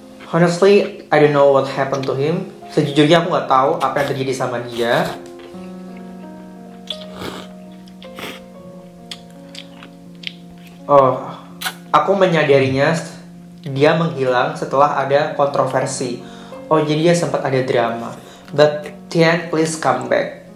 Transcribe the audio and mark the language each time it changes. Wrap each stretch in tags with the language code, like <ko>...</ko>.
<en>Honestly, I don't know what happened to him.</en> <id>Sejujurnya aku nggak tahu apa yang terjadi sama dia. Oh, aku menyadarinya dia menghilang setelah ada kontroversi. Oh, jadi dia sempat ada drama.</id> <en>But Tian, please come back.</en>